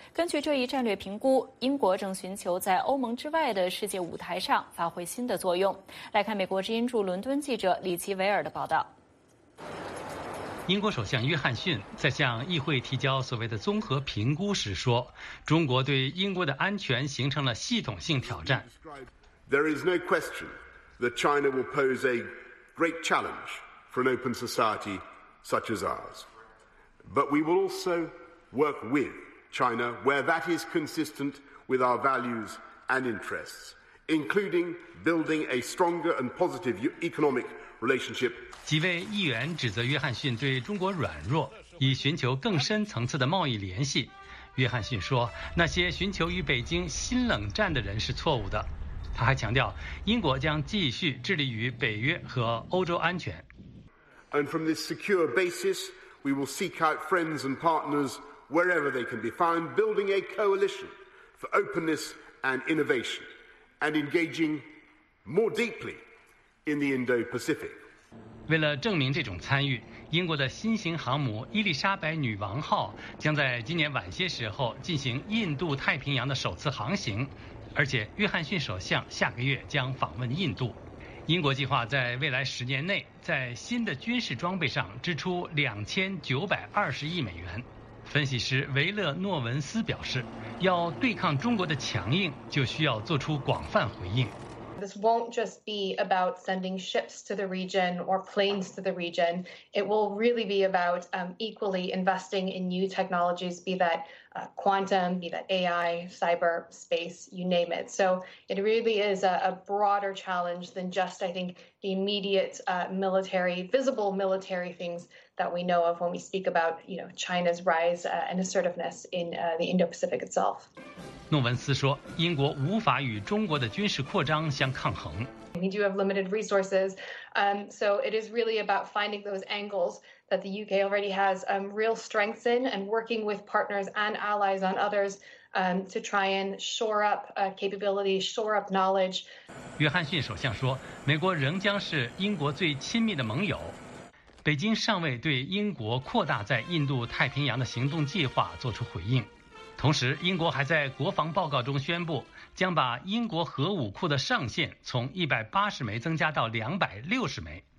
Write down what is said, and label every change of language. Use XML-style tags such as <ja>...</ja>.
<zh>根据这一战略评估，英国正寻求在欧盟之外的世界舞台上发挥新的作用。来看美国之音驻伦敦记者李奇维尔的报道。英国首相约翰逊在向议会提交所谓的综合评估时说，中国对英国的安全形成了系统性挑战。</zh> <en>There is no question that China will pose a great challenge for an open society such as ours. But we will also work with China where that is consistent with our values and interests, including building a stronger and positive economic relationship.</en> <zh>几位议员指责约翰逊对中国软弱，以寻求更深层次的贸易联系。约翰逊说，那些寻求与北京新冷战的人是错误的。他还强调，英国将继续致力于北约和欧洲安全。</zh> <en>And from this secure basis, we will seek out friends and partners wherever they can be found, building a coalition for openness and innovation, and engaging more deeply in the Indo-Pacific.</en> <zh>为了证明这种参与，英国的新型航母伊丽莎白女王号将在今年晚些时候进行印度太平洋的首次航行。而且约翰逊首相下个月将访问印度。英国计划在未来十年内在新的军事装备上支出2920亿美元。分析师维勒诺文斯表示，要对抗中国的强硬，就需要做出广泛回应。</zh> <en>This won't just be about sending ships to the region or planes to the region. It will really be about equally investing in new technologies, be that quantum, be that AI, cyber, space, you name it. So it really is a broader challenge than just, I think, the immediate military, visible military things that we know of when we speak about, you know, China's rise and assertiveness in the Indo-Pacific itself.</en> <zh>诺文斯说，英国无法与中国的军事扩张相抗衡。</zh> <en>We do have limited resources, so it is really about finding those angles that the UK already has real strengths in and working with partners and allies on others to try and shore up capability, shore up knowledge.</en> <zh>约翰逊首相说，美国仍将是英国最亲密的盟友。北京尚未对英国扩大在印度太平洋的行动计划作出回应。同时，英国还在国防报告中宣布，将把英国核武库的上限从180枚增加到260枚。</zh>